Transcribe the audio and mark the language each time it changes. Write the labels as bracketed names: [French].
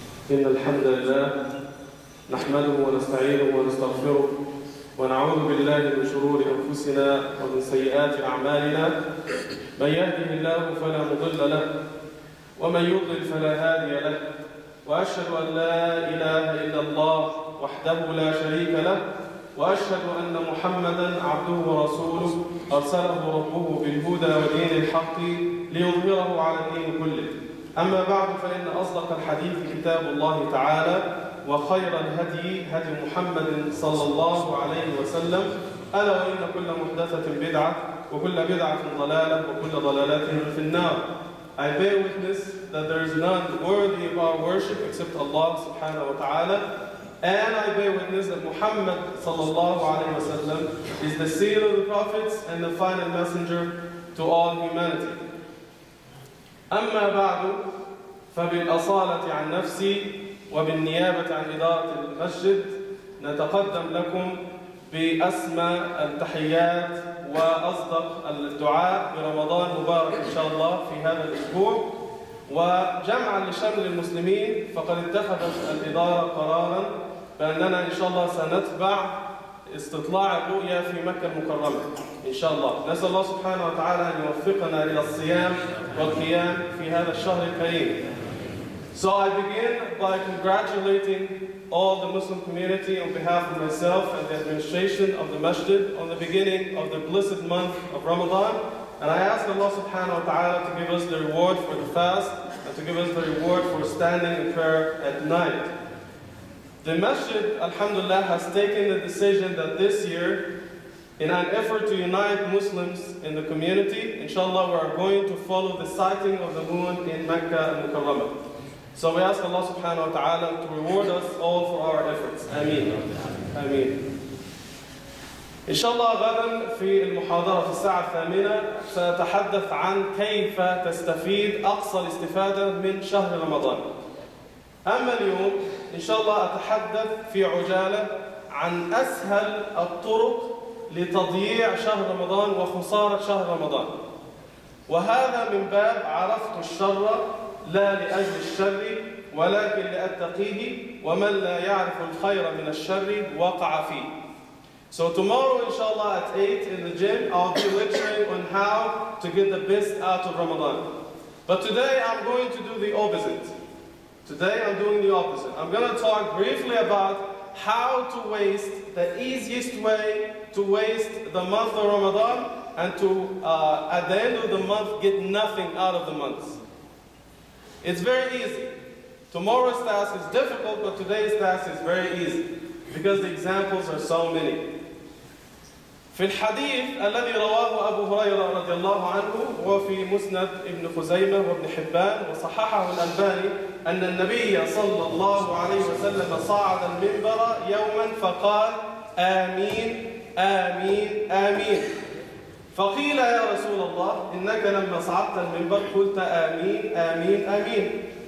[Arabic] إن الحمد لله نحمده ونستعينه ونستغفره ونعوذ بالله من شرور أنفسنا ومن سيئات أعمالنا، من يهده الله فلا مضل له ومن يضلل فلا هادي له، وأشهد أن لا إله إلا الله وحده لا شريك له، وأشهد أن محمدًا عبده ورسوله أرسله ربه بالهدى ودين الحق ليظهره على الدين كله. أما بعد، فإن أصدق الحديث كتاب الله تعالى، وخير الهدي هدي محمد صلى الله عليه وسلم، ألا وإن كل محدثة بدعة وكل بدعة ضلالة وكل ضلالات في النار. [English] I bear witness that there is none worthy of our worship except Allah subhanahu wa ta'ala. And I bear witness that Muhammad sallallahu alayhi wa sallam is the seal of the prophets and the final messenger to all humanity. [Arabic] أما بعد فبالأصالة عن نفسي وبالنيابة عن إدارة المسجد نتقدم لكم بأسمى التحيات وأصدق الدعاء برمضان مبارك إن شاء الله في هذا الأسبوع. وجمعا لشمل المسلمين، فقد اتخذت الإدارة قرارا بأننا إن شاء الله سنتبع استطلاع الرؤيا في مكة المكرمة إن شاء الله. نسأل الله سبحانه وتعالى أن يوفقنا إلى الصيام والقيام في هذا الشهر الكريم. [English] So I begin by congratulating all the Muslim community on behalf of myself and the administration of the masjid on the beginning of the blessed month of Ramadan. And I ask Allah subhanahu wa ta'ala to give us the reward for the fast and to give us the reward for standing in prayer at night. The masjid, alhamdulillah, has taken the decision that this year, in an effort to unite Muslims in the community, inshallah, we are going to follow the sighting of the moon in Mecca and Mukarramah. So we ask Allah subhanahu wa ta'ala to reward us all for our efforts. Ameen. Ameen. [Arabic] Inshallah, غدا في المحاضرة في الساعة الثامنة سأتحدث عن كيف تستفيد أقصى الاستفادة من شهر رمضان. أما اليوم إنشاءالله أتحدث في عجالة عن أسهل الطرق لتضييع شهر رمضان وخسارة شهر رمضان، وهذا من باب عرفت الشر لا لأجل الشر ولكن لأتقيه، ومن لا يعرف الخير من الشر وقع فيه. [English] So tomorrow inshallah at 8 in the gym I'll be lecturing on how to get the best out of Ramadan. But today I'm going to do the opposite. Today I'm doing the opposite. I'm going to talk briefly about how to waste, the easiest way to waste the month of Ramadan and to, at the end of the month, get nothing out of the month. It's very easy. Tomorrow's task is difficult, but today's task is very easy because the examples are so many. [Arabic] في الحديث الذي رواه أبو هريرة رضي الله عنه وفي مسند ابن خزيمة وابن حبان وصححه الألباني أن النبي صلى الله عليه وسلم صعد المنبر يوما فقال آمين آمين آمين، فقيل يا رسول الله إنك لما صعدت المنبر قلت آمين آمين آمين،